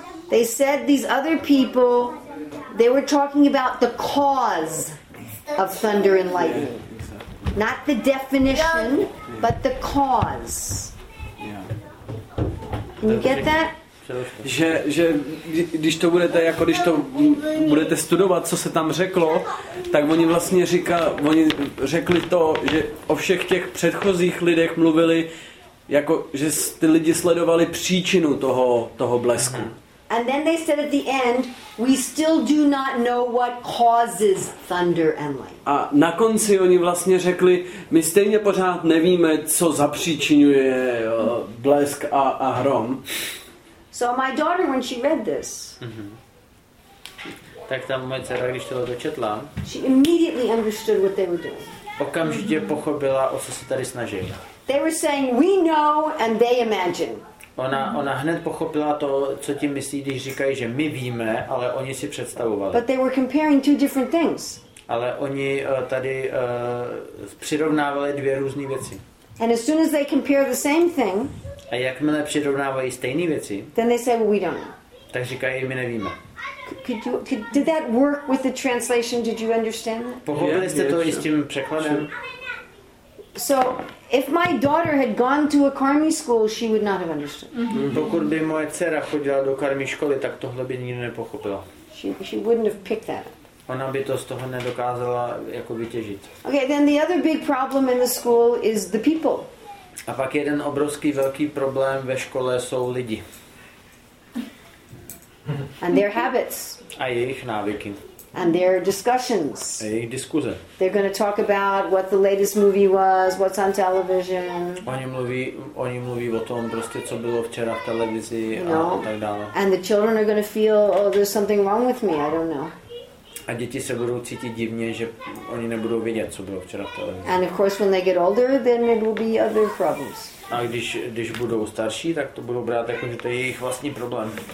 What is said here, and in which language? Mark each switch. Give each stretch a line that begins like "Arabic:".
English: They said these other people, they were talking about the cause of thunder and lightning. Not the definition, but the cause. Can you get that?
Czech: že když to budete jako když to budete studovat, co se tam řeklo, tak oni vlastně řekli to, že o všech těch předchozích lidech mluvili jako že ty lidi sledovali příčinu toho blesku.
English: And then they said at the end, we still do not know what causes thunder and lightning.
Czech: A na konci oni vlastně řekli, my stejně pořád nevíme, co zapříčinuje blesk a hrom.
English: So my daughter, when she read this,
Czech: tak ta moje dcera, když tohle dočetla,
English: she immediately understood what they were doing.
Czech: Okamžitě pochopila, o co se tady snaží.
English: They were saying, we know and they imagine.
Czech: Ona hned pochopila to, co tím myslí, když říkají, že my víme, ale oni si představovali.
English: But they were comparing two different things.
Czech: Ale oni tady přirovnávali dvě různé věci.
English: And as soon as they compare the same thing,
Czech: a jakmile přirovnávají stejné věci,
English: then they say, well, we don't know.
Czech: Tak říkají, my nevíme.
English: Did that work with the translation? Did you understand that?
Czech: Pochopili jste to i s tím překladem?
English: So if my daughter had gone to a karmi school, she would not have understood.
Czech: Pokud by moje dcera chodila do karmi školy, tak tohle by nikdy nepochopila.
English: She wouldn't have picked that up.
Czech: Ona by to z toho nedokázala jako vytěžit.
English: Okay, then the other big problem in the school is the people.
Czech: A pak jeden obrovský velký problém ve škole jsou lidi.
English: And their habits.
Czech: A jejich návyky.
English: And their discussions.
Czech: A jejich diskuze.
English: They're going to talk about what the latest movie was, what's on television.
Czech: Oni mluví o tom, prostě co bylo včera v televizi,
English: you know?
Czech: A tak dále.
English: And the children are going to feel, oh, there's something wrong with me. I don't know.
Czech: A děti se budou cítit divně, že oni nebudou vědět, co bylo včera v televizi.
English: And of course, when they get older, then it will be other problems.
Czech: A když budou starší, tak to budou brát jako, že to je jejich vlastní problém.